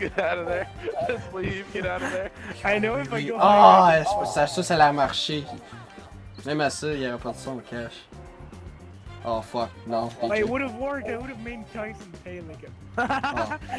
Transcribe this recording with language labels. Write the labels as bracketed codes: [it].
[en] get out of there. Just leave. Get out of there. I know if I go. [fr] Ah, oh, ça a marché. Même à ça, il y avait pas de son cash. [en] Oh fuck, no. DJ. It would have worked. I would have made Tyson pay like a.